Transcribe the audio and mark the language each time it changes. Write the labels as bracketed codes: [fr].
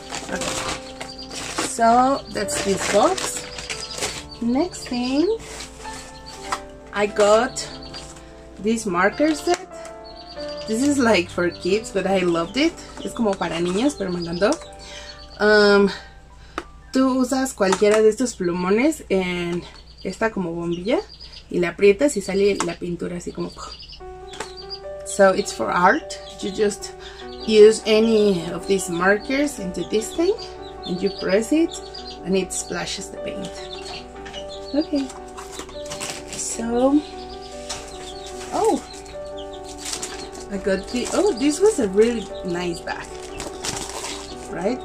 [en] Okay. So that's this box. Next thing, I got this marker set. This is like for kids, but I loved it. [es] Es como para niños, pero me encantó. Tú usas cualquiera de estos plumones en esta como bombilla y le aprietas y sale la pintura así como. [en] So it's for art. You just use any of these markers into this thing and you press it and it splashes the paint. Okay. So oh, I got the, oh, this was a really nice bag, right?